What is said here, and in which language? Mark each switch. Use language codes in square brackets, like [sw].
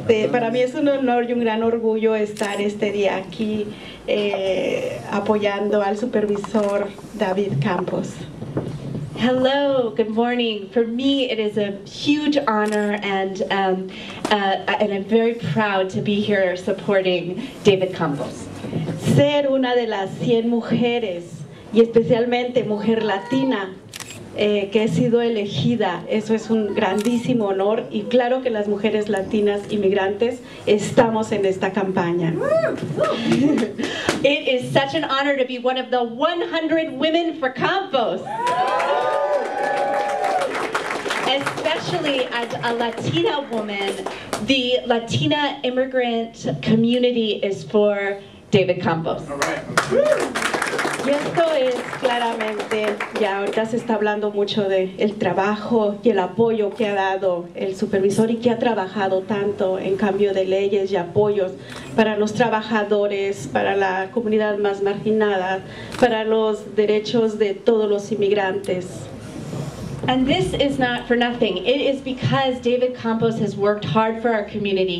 [es] Para mí es un honor y un gran orgullo estar este día aquí apoyando al supervisor David Campos. [en] Hello, good morning. For me, it is a huge honor and I'm very proud to be here supporting David Campos. [es] Ser una de las 100 mujeres y especialmente mujer latina que he sido elegida, eso es un grandísimo honor y claro que las mujeres latinas inmigrantes estamos en esta campaña. [en] It is such an honor to be one of the 100 women for Campos. especially as a Latina woman, the Latina immigrant community is for David Campos. All right. [es] Woo! Y esto es claramente, ya ahorita se está hablando mucho de el trabajo y el apoyo que ha dado el supervisor y que ha trabajado tanto en cambio de leyes y apoyos para los trabajadores, para la comunidad más marginada, para los derechos de todos los inmigrantes. [en] And this is not for nothing. It is because David Campos has worked hard for our community.